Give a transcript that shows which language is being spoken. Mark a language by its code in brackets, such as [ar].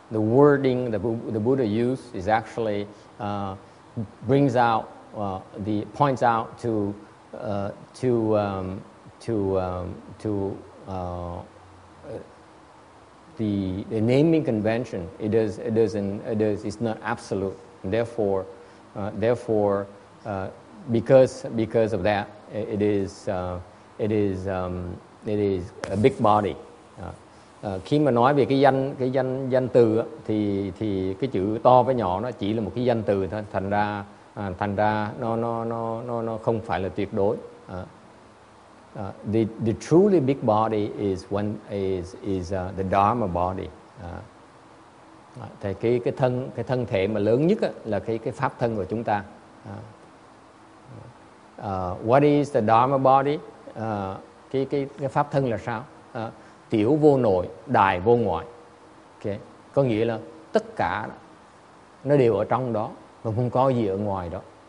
[en] The wording that the Buddha used is actually brings out the points out to the naming convention. It's not absolute. And therefore, because of that, it is a big body. [vi] Khi mà nói về cái danh từ thì cái chữ to với nhỏ nó chỉ là một cái danh từ thôi, thành ra nó không phải là tuyệt đối. [en] The truly big body is the Dharma body. [vi] Thì cái thân thể mà lớn nhất á, là cái pháp thân của chúng ta. [en] What is the Dharma body? [vi] Cái pháp thân là sao? Tiểu vô nội, đại vô ngoại. Okay. Có nghĩa là tất cả nó đều ở trong đó mà không có gì ở ngoài đó.